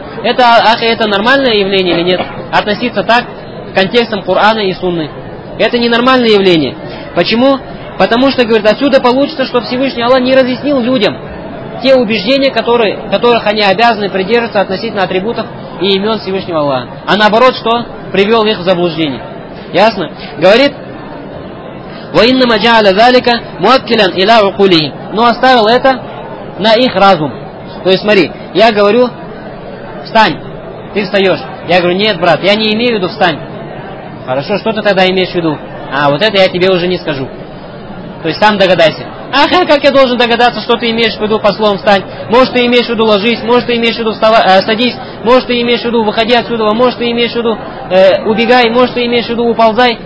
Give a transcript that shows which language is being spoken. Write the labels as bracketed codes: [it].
[ru] Это нормальное явление или нет? Относиться так к контекстам Корана и Сунны. Это ненормальное явление. Почему? Потому что, говорит, отсюда получится, что Всевышний Аллах не разъяснил людям те убеждения, которых они обязаны придерживаться относительно атрибутов и имен Всевышнего Аллаха. А наоборот, что? Привел их в заблуждение. Ясно? [ar] Говорит, وَإِنَّمَ جَعَلَ ذَلِكَ مُؤَكِّلًا إِلَىٰ عُقُولِهِمْ. [ru] Но оставил это на их разум. То есть, смотри, я говорю, встань, ты встаешь. Я говорю, нет, брат, я не имею в виду встань. Хорошо, что ты тогда имеешь в виду? А вот это я тебе уже не скажу. То есть, сам догадайся. Ах, как я должен догадаться, что ты имеешь в виду по словам встань? Может, ты имеешь в виду ложись, может, ты имеешь в виду садись, может, ты имеешь в виду выходи отсюда, может, ты имеешь в виду убегай, может, ты имеешь в виду уползай.